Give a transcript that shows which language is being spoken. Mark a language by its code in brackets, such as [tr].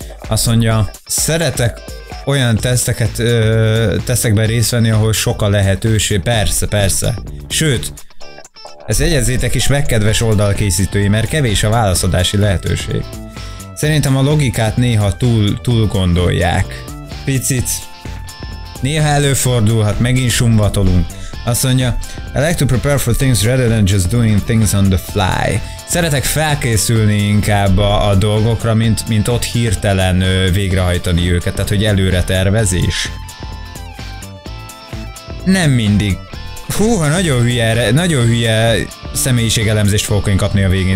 [hu] Azt mondja, szeretek olyan teszteket, teszekben részt venni, ahol sok a lehetőség, persze. Sőt, ezt jegyezzétek is meg, kedves oldalkészítői, mert kevés a válaszadási lehetőség. Szerintem a logikát néha túl gondolják. Picit. Néha előfordulhat, megint sumvatolunk. Azt mondja, [en] I like to prepare for things rather than just doing things on the fly. [hu] Szeretek felkészülni inkább a dolgokra, mint ott hirtelen végrehajtani őket, tehát hogy előre tervezés. Nem mindig. Húha, nagyon hülye személyiségelemzést fogok én kapni a végén.